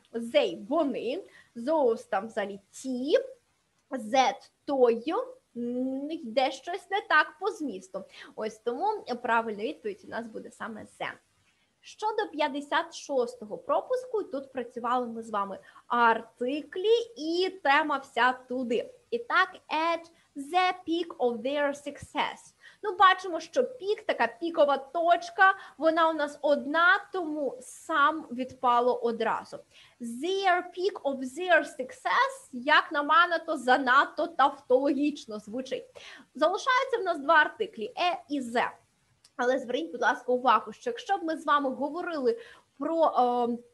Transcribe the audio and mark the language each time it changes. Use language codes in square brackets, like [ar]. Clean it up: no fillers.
[uk] They – вони, those – там взагалі ті, that – тою. Йде щось не так по змісту. Ось тому правильна відповідь у нас буде саме це. Щодо 56-го пропуску, тут працювали ми з вами артиклі і тема вся туди. І так, [en] at the peak of their success. [uk] Ну, бачимо, що пік, така пікова точка, вона у нас одна, тому сам відпало одразу. [en] Their peak of their success, [uk] як на мене, то занадто тавтологічно звучить. Залишаються в нас два артиклі, e і the. Але зверніть, будь ласка, увагу, що якщо б ми з вами говорили про...